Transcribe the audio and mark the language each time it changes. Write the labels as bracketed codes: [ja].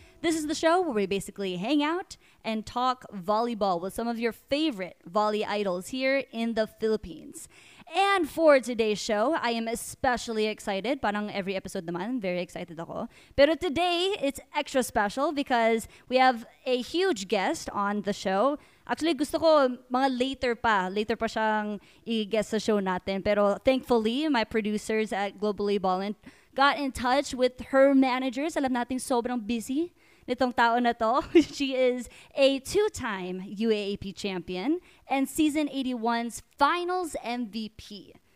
[en] This is the show where we basically hang out and talk volleyball with some of your favorite volley idols here in the Philippines. And for today's show, I am especially excited. [tl] Parang every episode naman, very excited ako. [en] Pero today, it's extra special because we have a huge guest on the show. [tl] Actually, gusto ko mga later pa siyang i-guest sa show natin. [en] Pero thankfully, my producers at Globally Ballin got in touch with her managers. [tl] Alam natin sobrang busy nitong tao na to. [en] She is a 2-time UAAP champion and season 81's finals MVP.